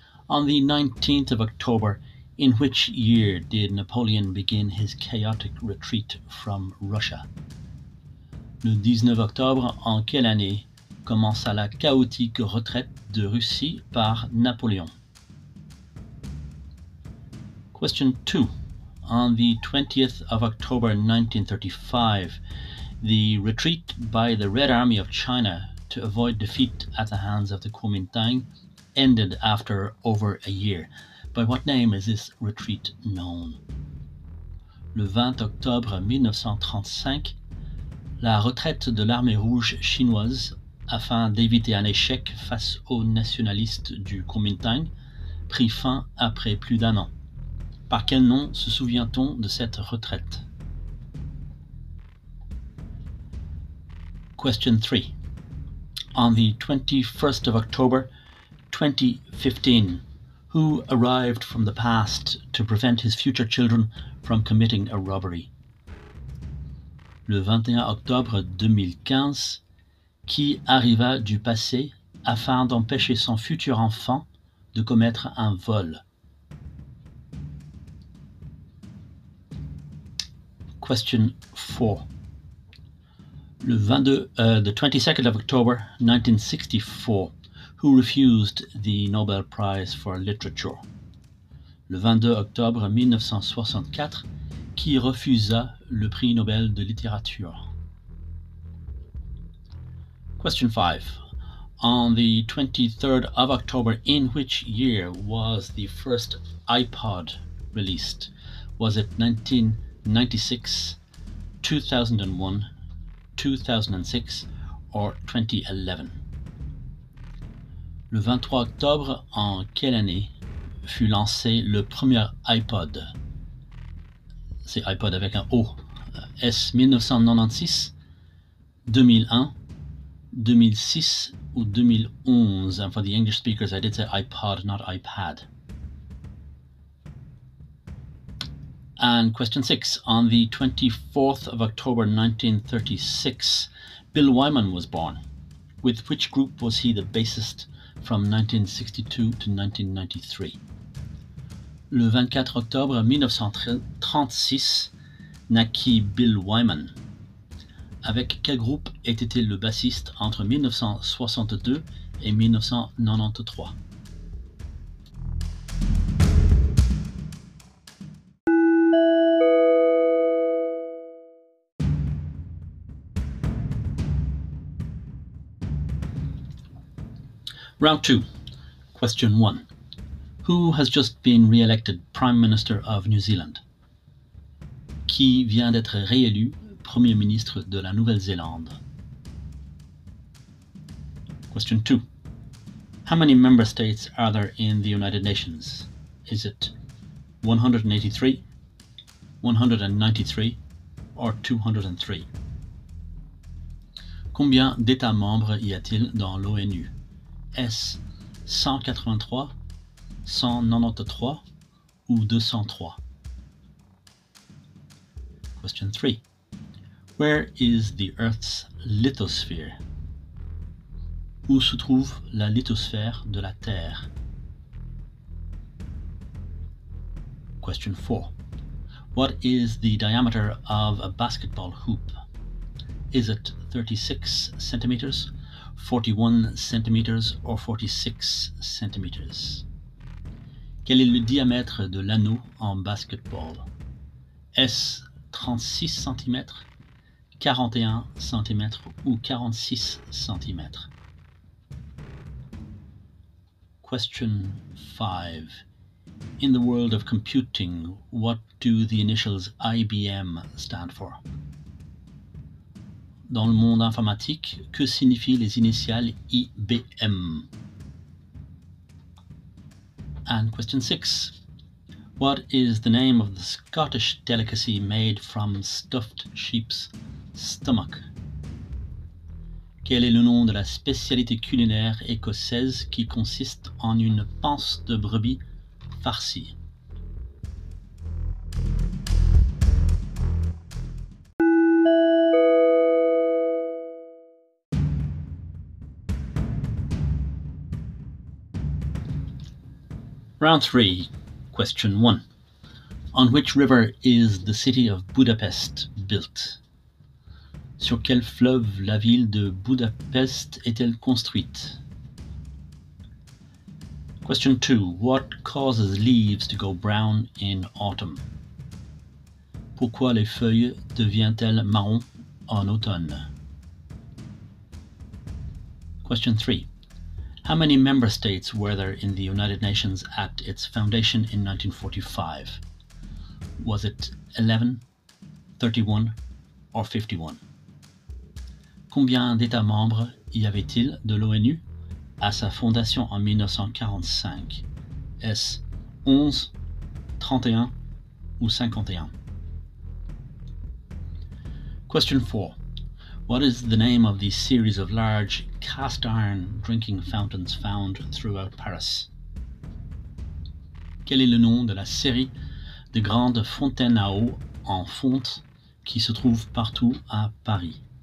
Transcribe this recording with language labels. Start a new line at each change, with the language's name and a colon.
English: On the 19th of October, in which year did Napoleon begin his chaotic retreat from Russia?
French: Le 19 octobre, en quelle année commença la chaotique retraite de Russie par Napoléon?
English: Question 2. On the 20th of October 1935, the retreat by the Red Army of China to avoid defeat at the hands of the Kuomintang ended after over a year. By what name is this retreat known?
French: Le 20 octobre 1935, la retraite de l'armée rouge chinoise afin d'éviter un échec face aux nationalistes du Kuomintang prit fin après plus d'un an. Par quel nom se souvient-on de cette retraite?
English: Question 3. On the 21st of October 2015, who arrived from the past to prevent his future children from committing a robbery?
French: Le 21 octobre 2015, qui arriva du passé afin d'empêcher son futur enfant de commettre un vol?
English: Question 4. The 22nd of October 1964, who refused the Nobel Prize for Literature?
French: Le 22 octobre 1964, qui refusa le prix Nobel de littérature?
English: Question 5. On the 23rd of October, in which year was the first iPod released? Was it 1996, 2001, 2006 or 2011?
French: Le 23 octobre, en quelle année fut lancé le premier iPod? C'est iPod avec un O. Est-ce 1996, 2001, 2006 ou 2011?
English: And for the English speakers, I did say iPod, not iPad. And question 6. On the 24th of October 1936, Bill Wyman was born. With which group was he the bassist from 1962 to 1993?
French: Le 24 octobre 1936, naquit Bill Wyman. Avec quel groupe était-il le bassiste entre 1962 et 1993?
English: Round 2. Question 1. Who has just been re-elected Prime Minister of New Zealand?
French: Qui vient d'être réélu Premier ministre de la Nouvelle-Zélande?
English: Question 2. How many member states are there in the United Nations? Is it 183, 193 or 203?
French: Combien d'États membres y a-t-il dans l'ONU? Est-ce 183, 193 ou 203?
English: Question 3. Where is the Earth's lithosphere?
French: Où se trouve la lithosphère de la Terre?
English: Question 4. What is the diameter of a basketball hoop? Is it 36 centimeters? 41 centimeters or 46 centimeters?
French: Quel est le diamètre de l'anneau en basketball? Est-ce 36 centimètres, 41 centimètres ou 46 centimètres?
English: Question 5. In the world of computing, what do the initials IBM stand for?
French: Dans le monde informatique, que signifient les initiales IBM?
English: And question 6. What is the name of the Scottish delicacy made from stuffed sheep's stomach?
French: Quel est le nom de la spécialité culinaire écossaise qui consiste en une panse de brebis farcie?
English: Round 3, question 1. On which river is the city of Budapest built?
French: Sur quel fleuve la ville de Budapest est-elle construite?
English: Question 2. What causes leaves to go brown in autumn?
French: Pourquoi les feuilles deviennent-elles marron en automne?
English: Question 3. How many member states were there in the United Nations at its foundation in 1945? Was it 11, 31 or 51?
French: Combien d'États membres y avait-il de l'ONU à sa fondation en 1945? Est-ce 11, 31 ou 51?
English: Question 4. What is the name of the series of large cast iron drinking fountains found throughout Paris?
French: Quel est le nom de la série de grandes fontaines à eau en fonte qui se trouve partout à Paris?